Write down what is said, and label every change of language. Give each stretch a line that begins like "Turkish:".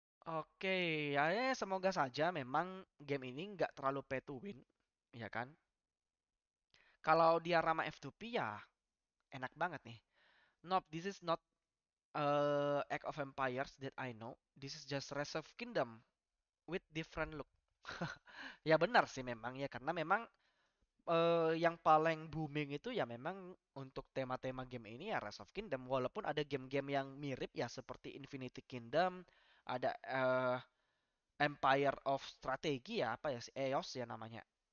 Indonesian: Oke, ya semoga saja memang game ini nggak terlalu pay to win, ya kan? Kalau dia ramah F2P ya enak banget nih.
English: Nope, this is not Age of Empires that I know. This is just Rise of Kingdom with different look.
Indonesian: Ya benar sih memang ya, karena memang yang paling booming itu ya memang untuk tema-tema game ini ya Rise of Kingdom. Walaupun ada game-game yang mirip ya seperti Infinity Kingdom, ada Empire of Strategy ya apa ya si EOS ya namanya.